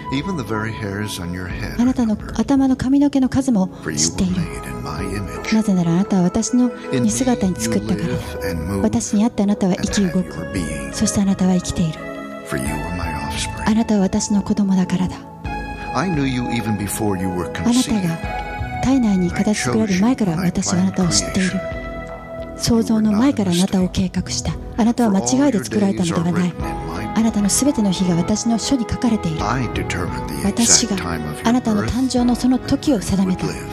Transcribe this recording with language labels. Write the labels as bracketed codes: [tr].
[en] Even the very hairs on your head [ja] あなたの頭の髪の毛の数も知っている。 [en] For you were made in my image. [ja] なぜならあなたは私の似姿に作ったからだ。 [en] And move, [ja] 私に会ってあなたは生き動く。 [en] And have your being. [ja] そしてあなたは生きている。 [en] For you were my offspring. [ja] あなたは私の子供だからだ。 [en] I knew you even before you were conceived. [ja] あなたが体内に形作られる前から私はあなたを知っている。想像の前からあなたを計画した。あなたは間違いで作られたのではない。あなたのすべての日が私の書に書かれている。私があなたの誕生のその時を定めた。